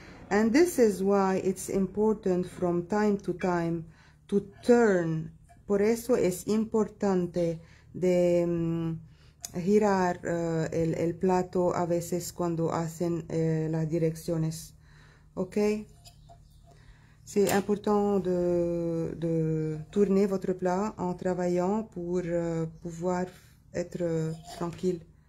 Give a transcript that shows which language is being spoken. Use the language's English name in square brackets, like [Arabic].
[English] And this is why it's important from time to time to turn. [Spanish] Por eso es importante de girar el plato a veces cuando hacen las direcciones. Ok? [French] C'est important de tourner votre plat en travaillant pour pouvoir être tranquille.